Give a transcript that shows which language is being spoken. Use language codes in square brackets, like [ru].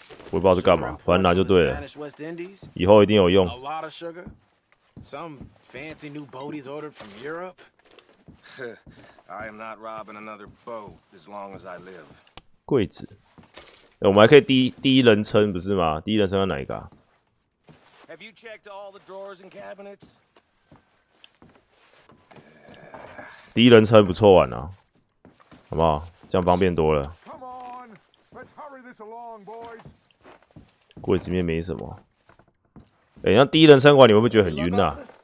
[zh] 我不知道是干嘛，反正拿就对了。以后一定有用。 [en] A lot of sugar. Some fancy new boat he's ordered from Europe. I am not robbing another boat as long as I live. [zh] 柜子，我们还可以第一人称不是吗？第一人称要哪一个、啊、 [en] ？Have you checked all the drawers and cabinets? [zh] 第一人称不错玩啊，好不好？这样方便多了。 [en] Come on, let's hurry this along, boys. [zh] 柜子里面没什么。哎、欸，那第一人称玩你会不会觉得很晕啊